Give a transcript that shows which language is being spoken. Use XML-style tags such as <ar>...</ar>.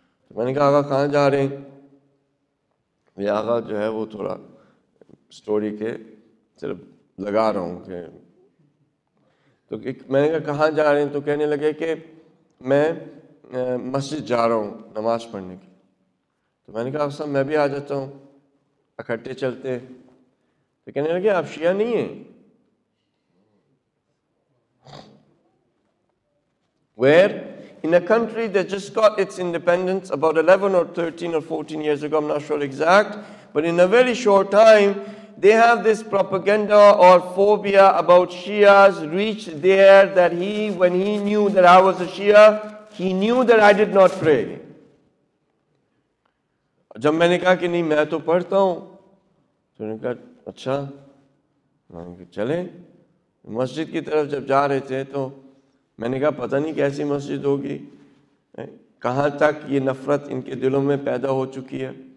<ur>میں نے کہا آغا کہاں جا رہے ہیں؟ یہ آغا جو ہے وہ تھوڑا سٹوری کے صرف لگا رہا ہوں کہ تو میں نے کہا کہاں جا رہے ہیں؟ تو کہنے لگے کہ میں مسجد جا رہا ہوں نماز پڑھنے کی. تو میں نے کہا آپ صاحب میں بھی آ جاتا ہوں, اکٹھے چلتے ہیں. تو کہنے لگے آپ شیعہ نہیں ہیں؟</ur> <en>Where in a country that just got its independence about 11 or 13 or 14 years ago, I'm not sure exact, but in a very short time, they have this propaganda or phobia about Shias reached there that he, when he knew that I was a Shia, he knew that I did not pray.</en> <ur>جب میں نے کہا کہ نہیں میں تو پڑھتا ہوں, تو انہوں نے کہا اچھا, میں نے کہا چلیں. مسجد کی طرف جب جا رہے تھے تو میں نے کہا پتہ نہیں کیسی مسجد ہوگی, کہاں تک یہ نفرت ان کے دلوں میں پیدا ہو چکی ہے.</ur>